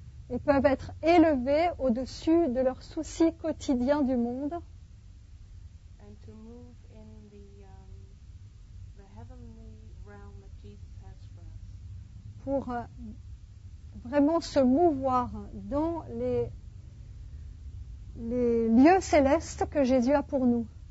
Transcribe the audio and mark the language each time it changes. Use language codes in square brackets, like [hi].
[fr] et peuvent être élevés au-dessus de leurs soucis quotidiens du monde. [en] And to move in the heavenly realm that Jesus has for us. [fr] Pour vraiment se mouvoir dans les lieux célestes que Jésus a pour nous.